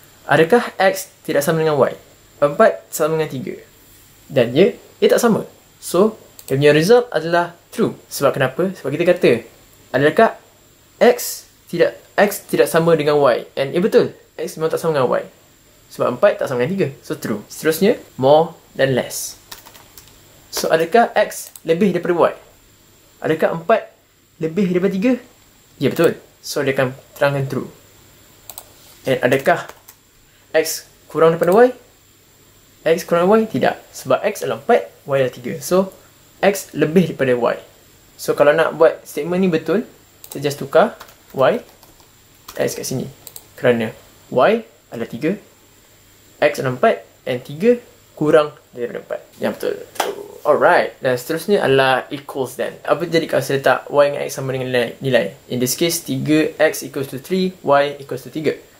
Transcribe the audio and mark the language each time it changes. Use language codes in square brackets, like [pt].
[ms] Adakah x tidak sama dengan y? 4 sama dengan 3. Dan ya, ia tak sama. So, dia punya result adalah true. Sebab kenapa? Sebab kita kata, adakah x tidak sama dengan y? And ya betul, x memang tak sama dengan y. Sebab 4 tak sama dengan 3. So, true. Seterusnya, [en] more than less. [ms] So, adakah x lebih daripada y? Adakah 4 lebih daripada 3? Ya betul. So, dia akan terangkan true. And adakah x kurang daripada y? X kurang daripada y? Tidak. Sebab x adalah 4, y adalah 3. So, x lebih daripada y. So, kalau nak buat statement ni betul, kita just tukar y, x kat sini. Kerana y adalah 3, x adalah 4, and 3 kurang daripada 4. Yang betul. Alright. Dan seterusnya adalah [en] equals then. [ms] Apa jadi kalau saya letak y dengan x sama dengan nilai? [en] In this case, 3x equals to 3, y equals to 3.